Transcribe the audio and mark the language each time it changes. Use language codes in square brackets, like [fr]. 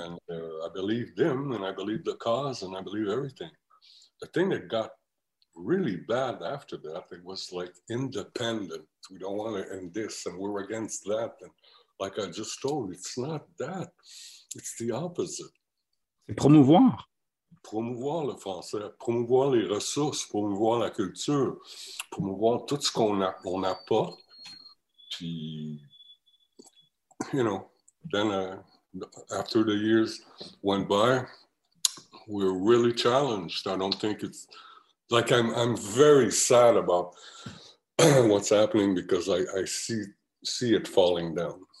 [en] And I believed him and I believed the cause and I believed everything. The thing that got really bad after that, it was like independent. We don't want to end this and we're against that. And like I just told, it's not that. It's the opposite. [fr] C'est promouvoir. Promouvoir le français, promouvoir les ressources, promouvoir la culture, promouvoir tout ce qu'on apporte. [en] Puis, you know, then after the years went by, we're really challenged. I don't think it's like I'm very sad about what's happening because I see it falling down.